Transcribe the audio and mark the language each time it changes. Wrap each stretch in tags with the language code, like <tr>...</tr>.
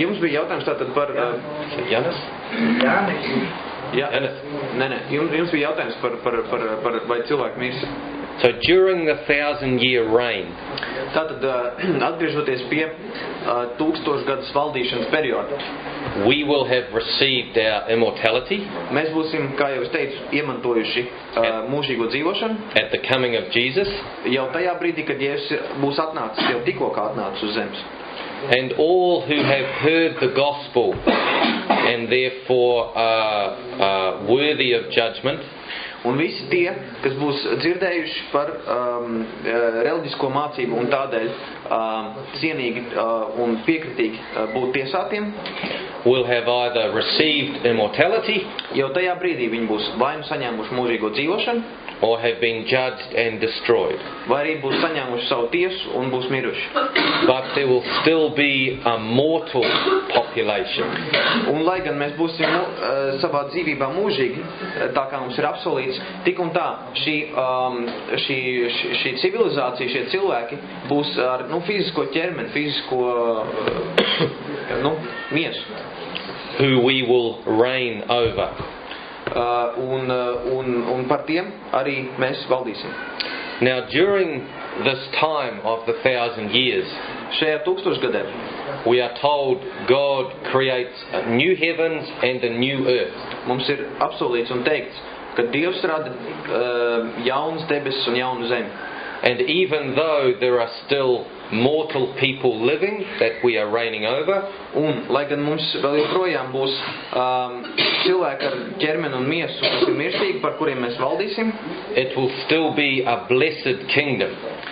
<lv>Jums bija jautājums tātad par... Janis? Janis. Nē. Jums bija jautājums par vai cilvēki mirs.</lv> <en>So during the 1,000-year reign.</en> <lv>Tātad atgriežoties pie 1,000 gadus valdīšanas periodu.</lv> <en>We will have received our immortality.</en> <lv>Mēs būsim, kā jau es teicu, iemantojuši mūžīgo dzīvošanu.</lv> <en>At the coming of Jesus.</en> <lv>Jau tajā brīdī, kad Jēzus būs atnācis, jau tikko kā atnācis uz zemes.</lv> <en>And all who have heard the gospel and therefore are worthy of judgment.</en> <lv>Un visi tie, kas būs dzirdējuši par reliģisko mācību un tādēļ cienīgi un piekritīgi būt tiesātiem,</lv> <en>will have either received immortality,</en> <lv>jau tajā brīdī viņi būs vai nu saņēmuši mūžīgo dzīvošanu,</lv> <en>or have been judged and destroyed.</en> <lv>Vai arī būs saņēmuši savu tiesu un būs miruši.</lv> <en>But there will still be a mortal population.</en> <lv>Un lai gan mēs būsim savā dzīvībā mūžīgi, tā kā mums ir apsolīts, tik un tā, šī civilizācija, šie cilvēki būs ar fizisko ķermeni, fizisko miesu.</lv> <en>Who we will reign over.</en> <lv>Un par tiem arī mēs valdīsim.</lv> <en>Now during this time of the 1,000 years,</en> <lv>šajā 1,000 gadā,</lv> <en>we are told God creates a new heavens and a new earth.</en> <lv>Mums ir apsolīts un teikts, ka Dievs rada jaunas debesis un jaunu zemi.</lv> <en>And even though there are still mortal people living that we are reigning over,</en> <lv>un lai gan mums vēl joprojām būs cilvēki ar ķermeni un miesu, kas ir mirstīgi, par kuriem mēs valdīsim,</lv> <en>it will still be a blessed kingdom.</en>